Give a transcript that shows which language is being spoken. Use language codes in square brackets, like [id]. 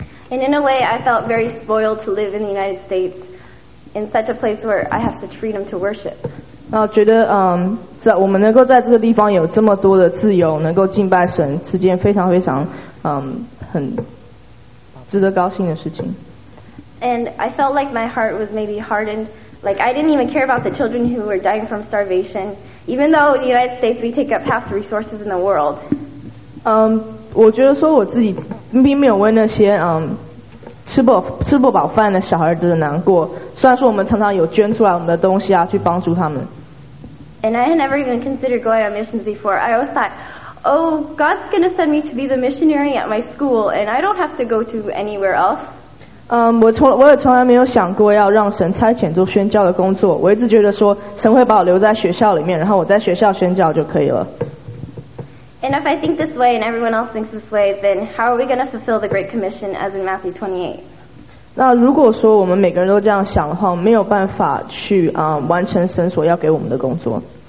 [en] And in a way, I felt very spoiled to live in the United States, in such a place where I have such freedom to worship. [zh] 然后觉得在我们能够在这个地方有这么多的自由，能够敬拜神，是件非常非常很值得高兴的事情。 [en] And I felt like my heart was maybe hardened, like I didn't even care about the children who were dying from starvation, even though the United States we take up half the resources in the world. [zh] 我觉得说我自己并没有为那些吃不饱饭的小孩子的难过，虽然说我们常常有捐出来我们的东西啊去帮助他们。 [en] And I had never even considered going on missions before. I always thought, oh, God's going to send me to be the missionary at my school, and I don't have to go to anywhere else. [zh] 我也从来没有想过要让神差遣做宣教的工作。我一直觉得说，神会把我留在学校里面，然后我在学校宣教就可以了。 [en] And if I think this way and everyone else thinks this way, then how are we going to fulfill the Great Commission as in Matthew 28? [zh] 那如果说我们每个人都这样想的话，没有办法去完成神所要给我们的工作。